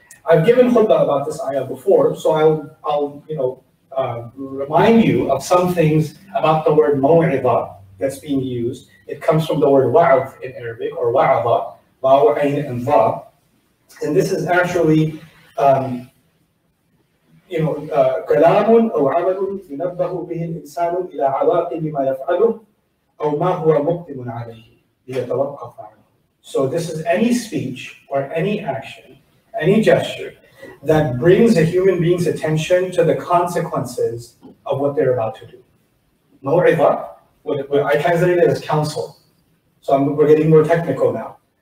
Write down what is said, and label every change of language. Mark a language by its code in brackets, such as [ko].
[en] I've given khutbah about this ayah before, so I'll remind you of some things about the word maw'idah that's being used. It comes from the word wa'ad in Arabic, or wa'ada, wa'u, ayn, and va. And this is actually [ar] you know, كلامٌ أو عملٌ ينبه به الإنسان إلى عواقب ما يفعله أو ما هو مقدم عليه ليتوقف عنه. [en] So this is any speech or any action, any gesture that brings a human being's attention to the consequences of what they're about to do. موعظة, what I translate it as counsel. So we're getting more technical now.